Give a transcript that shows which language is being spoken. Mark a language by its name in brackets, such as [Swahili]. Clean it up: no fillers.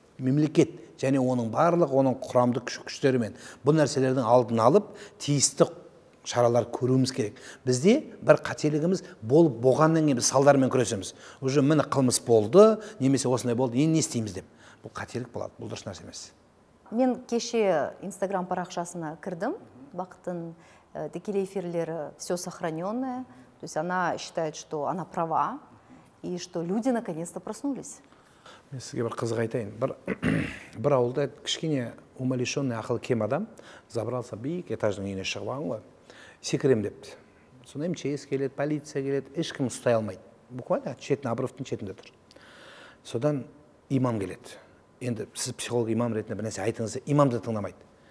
[Kazakh] Мемлекет және оның барлық оның құрамдық күштері мен бұл нәрселердің алдын алып тиісті шаралар көруіміз керек. Бізде бір қателігіміз болып болғаннан кейін біз салдармен күресеміз. Уже міне қылмыс болды, немесе осындай болды, енді не істейміз деп. Бұл қателік болады, бұл дұрыс нәрсе емес. Мен кеше Инстаграм парақшасына кірдім. Бақыттың тікелей эфирлері [Russian] «Все сохранённое», то есть она считает, что она права и что люди наконец-то проснулись. [Kazakh] Мен сізге бір қызық айтайын. Бір ауылда кішкене умалишённый ақыл кем адам забрался биік этаждың үйіне шығып алған ғой. Секірем депті. Сонда МЧС келеді, полиция келеді, ешкім ұстай алмайды. Буквально шетін, обрывтың шетінде тұр. Содан имам келеді. Енді сіз психолог имам ретінде бір нәрсе айтыңыз, имам да тыңдамайды.